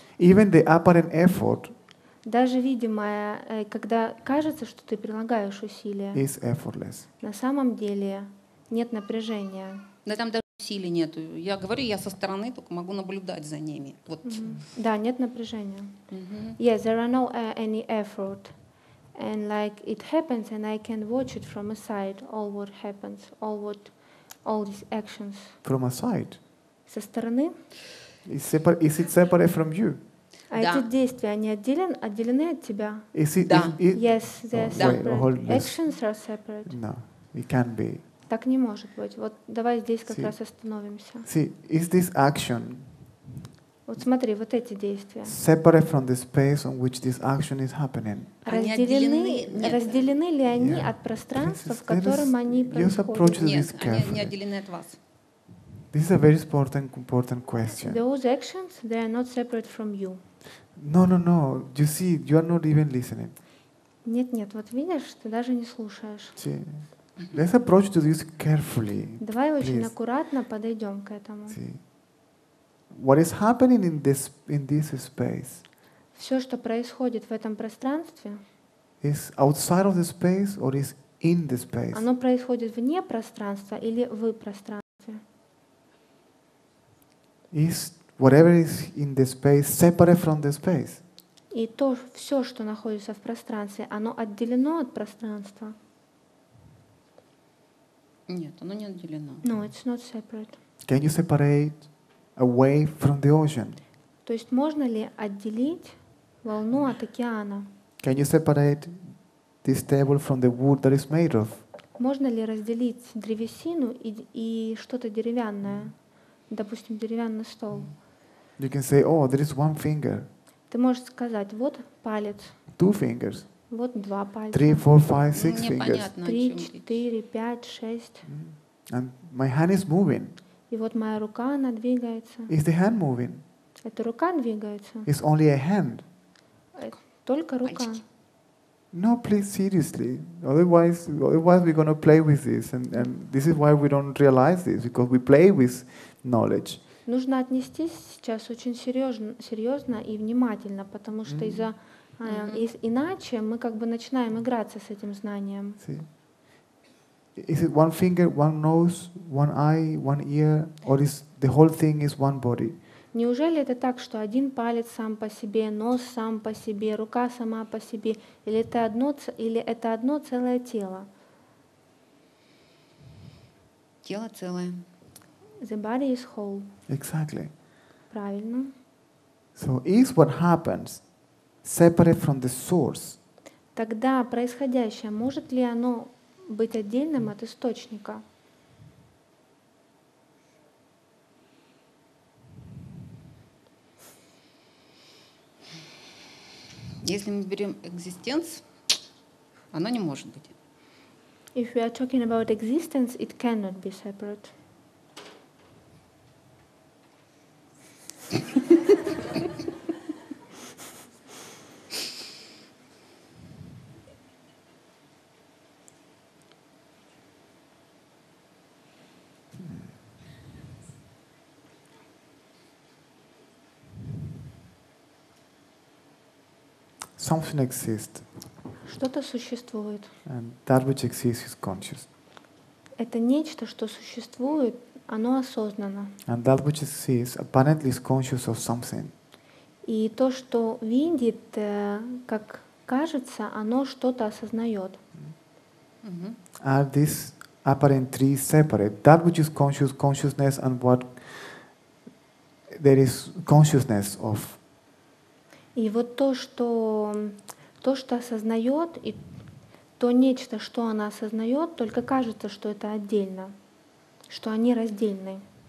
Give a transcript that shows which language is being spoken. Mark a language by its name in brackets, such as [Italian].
[English] Even the apparent effort. [Russian] Даже видимое, когда кажется, что ты прилагаешь усилия. [English] Is effortless. [Russian] На самом деле нет напряжения. Да там даже усилий нету. Я говорю, я со стороны только могу наблюдать за ними. Вот. Да, нет напряжения. [English] Mm-hmm. Yes, there are no any effort. And like it happens, and I can watch it from a side. All what happens, all these actions. From a side. [Russian] Со стороны. [English] Is it separate from you? [Russian] А эти действия они отделены от тебя? [English] Is it? [Russian] Да. [English] Yes, they're separate. Actions are separate. No, it can't be. [Russian] Так не может быть. Вот давай здесь как раз остановимся. [English] See, is this action? [Russian] Вот смотри, вот эти действия. [English] Separate from the space on which this action is happening. [Russian] Разделены ли они от пространства, в котором они происходят? Нет, они не отделены от вас. [English] This is a very important question. Those actions, they are not separate from you. No. You see, you are not even listening. [Russian] Нет. Вот видишь, ты даже не слушаешь. [English] See, let's approach to this carefully. [Russian] Давай очень аккуратно подойдем к этому. [English] What is happening in this space? [Russian] Все, что происходит в этом пространстве, [English] is outside of the space or is in the space? [Russian] Оно происходит вне пространства или в пространстве? [English] Is whatever is in the space separate from the space? [Russian] И то все, что находится в пространстве, оно отделено от пространства? Нет, оно не отделено. [English] No, it's not separate. Can you separate a wave from the ocean? [Russian] То есть можно ли отделить волну от океана? [English] Can you separate this table from the wood that is made of? [Russian] Можно ли разделить древесину и что-то деревянное, допустим, деревянный стол? [English] You can say, oh, there is one finger. [Russian] Ты можешь сказать, вот палец. [English] Two fingers. [Russian] Вот два пальца. [English] Three, four, five, six fingers. [Russian] Три, четыре, пять, шесть. [English] And my hand is moving. [Russian] И вот моя рука, она двигается. [English] Is the hand moving? [Russian] Это рука двигается. [English] It's only a hand. [Russian] Только рука. [English] No, please, seriously. Otherwise we're going to play with this. And this is why we don't realize this, because we play with knowledge. [Russian] Нужно отнестись сейчас очень серьезно и внимательно, потому что иначе мы как бы начинаем играться с этим знанием. [English] Is it one finger, one nose, one eye, one ear, or is the whole thing is one body? [Russian] Неужели это так, что один палец сам по себе, нос сам по себе, рука сама по себе, или это одно целое тело? Тело целое. [English] The body is whole. Exactly. [Russian] Правильно. [English] So is what happens separate from the source? [Russian] Тогда происходящее, может ли оно быть отдельным от источника? Если мы берем existence, оно не может быть. [English] If we are talking about existence, it cannot be separate. Something exists. [Russian] Что-то существует. [English] And that which exists is conscious. [Russian] Это нечто, что существует, оно осознанно. [English] And that which exists apparently is conscious of something. [Russian] И то, что видит, как кажется, оно что-то осознает. [English] Mm-hmm. Are these apparent three separate? That which is conscious, consciousness, and what there is consciousness of. [Russian] И вот то, что осознает, и то нечто, что она осознает, только кажется, что это отдельно, что они раздельны.